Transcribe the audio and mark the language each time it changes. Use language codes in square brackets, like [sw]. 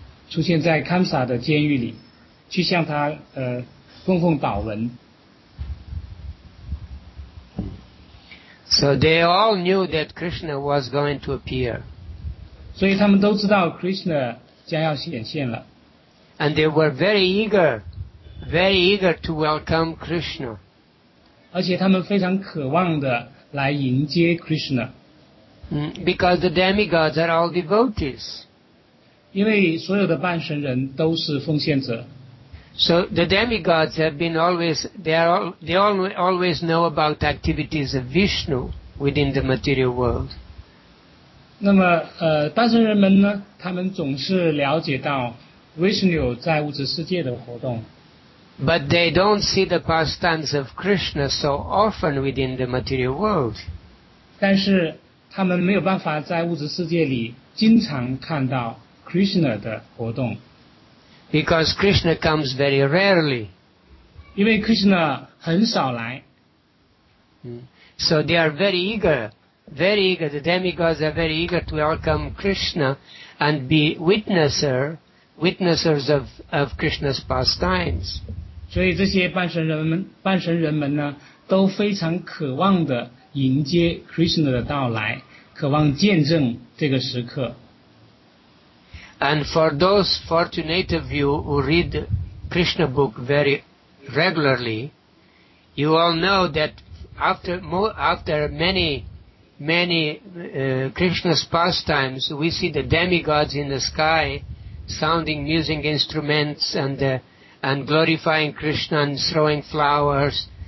[zh] 出现在堪萨的监狱里，去向他供奉祷文。 [en] So they all knew that Krishna was going to appear. [zh] 所以他们都知道 Krishna 将要显现了。 [en] And they were very eager to welcome Krishna. [zh] 而且他们非常渴望的来迎接 Krishna. [en] Because the demigods are all devotees. [zh] 因为所有的半神人都是奉献者。 [en] So the demigods have been always, they always know about activities of Vishnu within the material world. [zh] 那么半神人们呢，他们总是了解到 Vishnu 在物质世界的活动。 [en] But they don't see the pastimes of Krishna so often within the material world. [zh] 但是他们没有办法在物质世界里经常看到Krishna 的活动 [en] because Krishna comes very rarely. [zh] 因为 Krishna 很少来 [en] So they are very eager, the demigods are very eager to welcome Krishna and be witnesses of Krishna's pastimes. [zh] 所以这些半神人们呢，都非常渴望地迎接 Krishna 的到来，渴望见证这个时刻。 [en] And for those fortunate of you who read Krishna book very regularly, you all know that after many Krishna's pastimes, we see the demigods in the sky sounding music instruments and glorifying Krishna and throwing flowers.